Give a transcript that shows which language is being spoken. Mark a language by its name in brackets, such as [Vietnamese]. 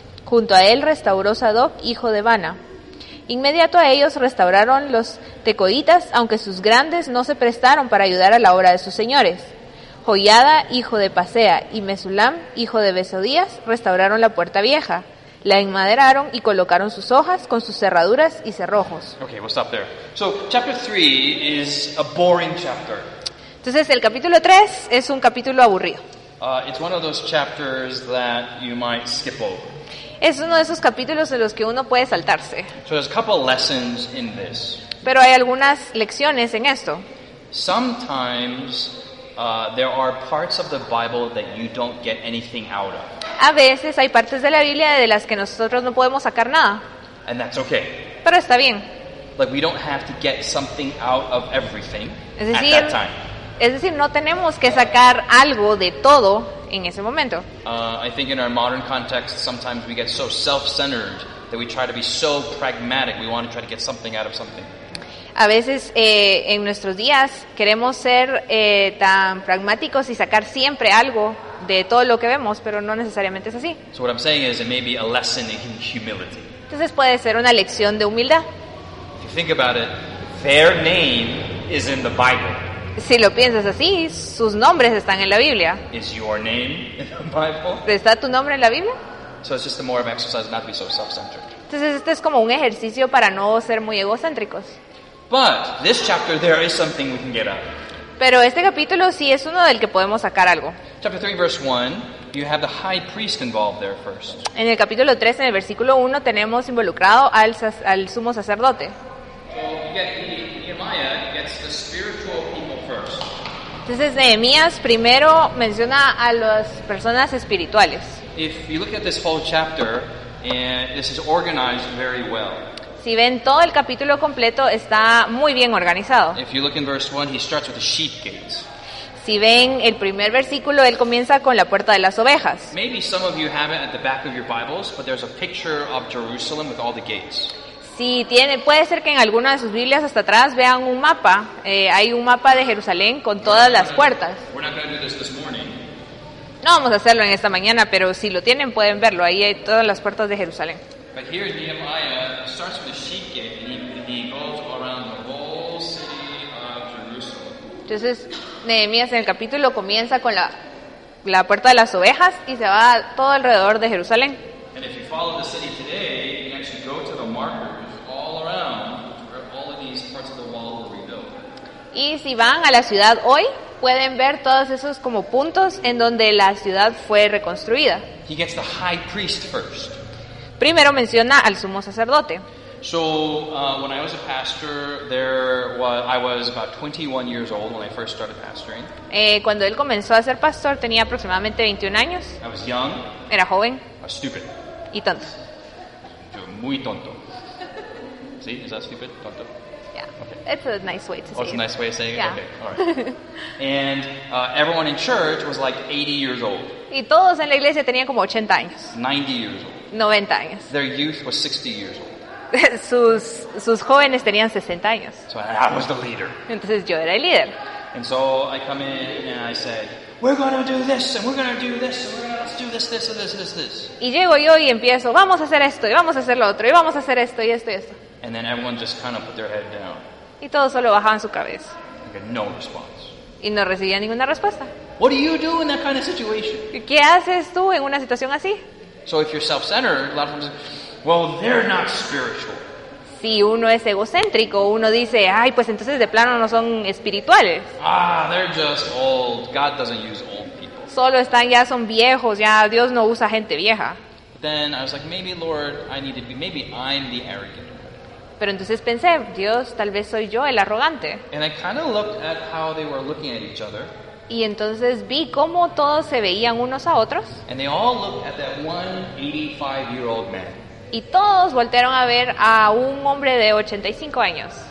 [Spanish] Junto a él restauró Sadoc, hijo de Bana. Inmediato a ellos restauraron los tecoitas, aunque sus grandes no se prestaron para ayudar a la obra de sus señores. Joiada, hijo de Pasea, y Mesulam, hijo de Besodías, restauraron la puerta vieja. La enmaderaron y colocaron sus hojas con sus cerraduras y cerrojos. [English] Okay, we'll stop there. So, chapter 3 is a boring chapter. [Spanish] Entonces, el capítulo 3 es un capítulo aburrido. [English] It's one of those chapters that you might skip over. [Spanish] Es uno de esos capítulos en los que uno puede saltarse. [English] So, there's a couple lessons in this. [Spanish] Pero hay algunas lecciones en esto. [English] Sometimes there are parts of the Bible that you don't get anything out of. [Spanish] A veces hay partes de la Biblia de las que nosotros no podemos sacar nada. [English] And that's okay. [Spanish] Pero está bien. [English] Like we don't have to get something out of everything at that time. [Spanish] Es decir, no tenemos que sacar algo de todo en ese momento. [English] I think in our modern context, sometimes we get so self-centered that we try to be so pragmatic. We want to try to get something out of something. [Spanish] A veces en nuestros días queremos ser tan pragmáticos y sacar siempre algo de todo lo que vemos, pero no necesariamente es así. [English] So what I'm saying is it may be a lesson in humility. [Spanish] Entonces puede ser una lección de humildad. [English] If you think about it, their name is in the Bible. [Spanish] Si lo piensas así, sus nombres están en la Biblia. [English] Is your name in the Bible? [Spanish] ¿Está tu nombre en la Biblia? [English] So it's just a more of an exercise not to be so self-centered. [Spanish] Entonces este es como un ejercicio para no ser muy egocéntricos. [English] But this chapter, there is something we can get out. [Spanish] Pero este capítulo sí es uno del que podemos sacar algo. [English] Chapter 3, verse 1, you have the high priest involved there first. [Spanish] En el capítulo 3, en el versículo 1, tenemos involucrado al sumo sacerdote. [English] So Nehemiah gets the spiritual people first. [Spanish] Entonces Nehemías primero menciona a las personas espirituales. [English] If you look at this whole chapter, and this is organized very well. [Spanish] Si ven todo el capítulo completo, está muy bien organizado. [English] If you look in verse 1, he starts with the sheep gates. [Spanish] Si ven el primer versículo, él comienza con la puerta de las ovejas. [English] Maybe some of you have it at the back of your Bibles, but there's a picture of Jerusalem with all the gates. [Spanish] Si tiene, puede ser que en alguna de sus Biblias hasta atrás vean un mapa. Hay un mapa de Jerusalén con todas las puertas. [English] We're not going to do this this morning. [Spanish] No vamos a hacerlo en esta mañana, pero si lo tienen, pueden verlo. Ahí hay todas las puertas de Jerusalén. [English] But here Nehemiah starts with the sheep gate and he goes around the whole city of Jerusalem. [Spanish] Entonces, Nehemías en el capítulo comienza con la puerta de las ovejas y se va todo alrededor de Jerusalén. [English] And if you follow the city today, you actually go to the markers all around where all of these parts of the wall were rebuilt. [Spanish] Y si van a la ciudad hoy, pueden ver todos esos como puntos en donde la ciudad fue reconstruida. [English] He gets the high priest first. [Spanish] Primero menciona al sumo sacerdote. [English] So, when I was a pastor, I was about 21 years old when I first started pastoring. [Spanish] Cuando él comenzó a ser pastor, tenía aproximadamente 21 años. [English] I was young. [Spanish] Era joven. [English] I was stupid. [Spanish] Y tonto. Yo, muy tonto. ¿Sí? [English] Is that stupid? [Spanish] Tonto. [English] Yeah. Okay. It's a nice way to say it. Oh, it's a nice way of saying it? Yeah. Okay. All right. And everyone in church was like 80 years old. [Spanish] Y todos en la iglesia tenían como 80 años. [English] 90 years old. [Spanish] 90 años. [English] Their youth was 60 years old. [Spanish] sus jóvenes tenían 60 años. [English] So I was the leader. [Spanish] Entonces yo era el líder. [English] And so I come in and I said, we're going to do this and we're going to do this and we're going to do this, this and this, this, this. [Spanish] Y llego yo y empiezo, vamos a hacer esto y vamos a hacer lo otro y vamos a hacer esto y esto y esto. [English] And then everyone just kind of put their head down. [Spanish] Y todos solo bajaban su cabeza. [English] Like no response. [Spanish] Y no recibía ninguna respuesta. [English] What do you do in that kind of situation? [Spanish] ¿Qué haces tú en una situación así? [English] So if you're self-centered, a lot of times, well, they're not spiritual. [Spanish] Si uno es egocéntrico, uno dice, ay, pues entonces de plano no son espirituales. [English] Ah, they're just old. God doesn't use old people. [Spanish] Solo están, ya son viejos, ya Dios no usa gente vieja. [English] Then I was like, maybe Lord, I need to be, maybe I'm the arrogant one. [Spanish] Pero entonces pensé, Dios, tal vez soy yo el arrogante. [English] And I kind of looked at how they were looking at each other. [Spanish] Y entonces vi cómo todos se veían unos a otros. [English] And they all looked at that one 85-year-old man. [Spanish] Y todos voltearon a ver a un hombre de 85 años.